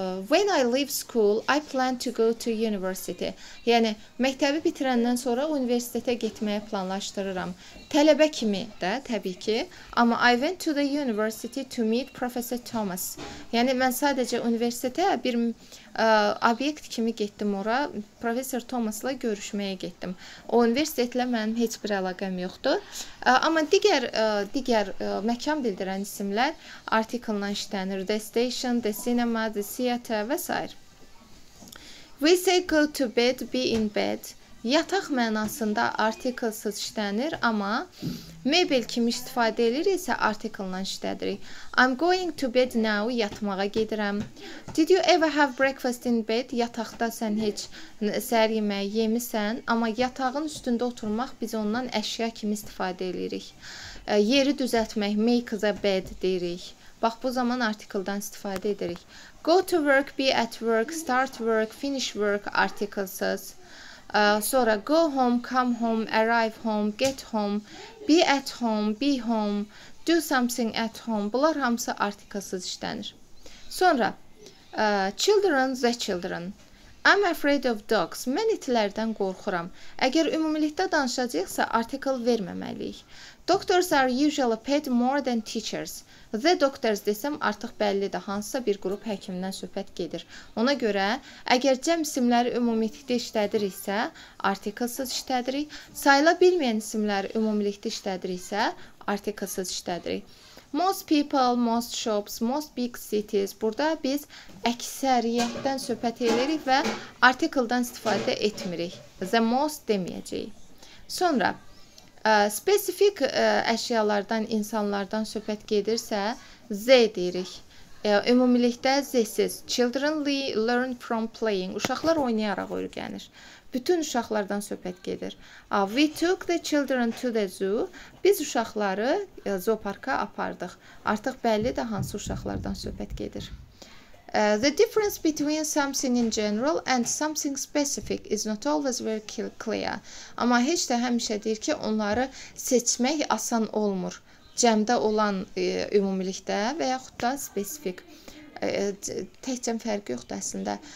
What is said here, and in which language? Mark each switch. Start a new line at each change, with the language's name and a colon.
English: When I leave school, I plan to go to university.
Azerbaijani: Yəni, məktəbi bitirəndən sonra universitetə getməyə planlaşdırıram. Tələbə kimi də, təbii ki. Amma
English: I went to the university to meet Professor Thomas.
Azerbaijani: Yəni, mən sadəcə universitetə bir obyekt kimi getdim ora. Professor Thomas'la görüşməyə getdim. O universitetlə mənim heç bir əlaqəm yoxdur. Amma digər məkan bildirən isimlər artikl-la işlənir.
English: The station, the cinema, the theater
Azerbaijani: və s.
English: We say go to bed, be in bed.
Azerbaijani: Yataq mənasında artiklsız işlənir, amma mebel kimi istifadə edilir isə artiklla işlədirik.
English: I'm going to bed now,
Azerbaijani: yatmağa gedirəm.
English: Did you ever have breakfast in bed?
Azerbaijani: Yataqda sən heç səhər yeməyi yemisən, amma yatağın üstündə oturmaq biz ondan əşya kimi istifadə edirik. Yeri düzəltmək,
English: make the bed
Azerbaijani: deyirik. Bax, bu zaman artikldan istifadə edirik.
English: Go to work, be at work, start work, finish work,
Azerbaijani: artiklsız. Sonra
English: go home, come home, arrive home, get home, be at home, be home, do something at home.
Azerbaijani: Bunlar hamısı artiklsız işlənir. Sonra
English: children, the children. I'm afraid of dogs.
Azerbaijani: Mən itlərdən qorxuram. Əgər ümumilikdə danışacaqsa, artikl verməməliyik.
English: Doctors are usually paid more than teachers. The doctors
Azerbaijani: desəm, artıq bəllidir, hansısa bir qrup həkimdən söhbət gedir. Ona görə, əgər cəm isimləri ümumilikdə işlədiriksə, artiklsız işlədirik. Sayıla bilməyən isimləri ümumilikdə işlədiriksə, artiklsız işlədirik.
English: Most people, most shops, most big cities.
Azerbaijani: Burada biz əksəriyyətdən söhbət edirik və artikldan istifadə etmirik.
English: The most
Azerbaijani: deməyəcəyik. Sonra, spesifik əşyalardan, insanlardan söhbət gedirsə, Z deyirik. Ümumilikdə Z-siz.
English: Children learn from playing.
Azerbaijani: Uşaqlar oynayaraq öyrənir. Bütün uşaqlardan söhbət gedir.
English: We took the children to the zoo.
Azerbaijani: Biz uşaqları zooparka apardıq. Artıq bəlli də hansı uşaqlardan söhbət gedir.
English: The difference between something in general and something specific is not always very clear.
Azerbaijani: Amma heç də həmişə deyir ki, onları seçmək asan olmur. Cəmdə olan ümumilikdə və yaxud da spesifik. Təkcəm fərqi yoxdur əslində.